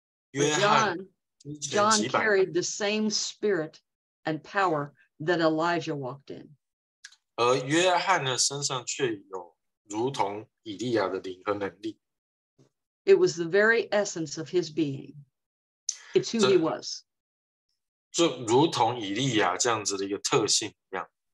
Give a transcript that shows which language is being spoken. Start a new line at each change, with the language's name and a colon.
Chinese: 以利亚呢，是出现在约翰。
English: John carried the same spirit and power that Elijah walked in.
Chinese: 而约翰呢，身上却有如同以利亚的灵和能力。
English: It was the very essence of his being. It's who he was.
Chinese: 就如同以利亚这样子的一个特性一样。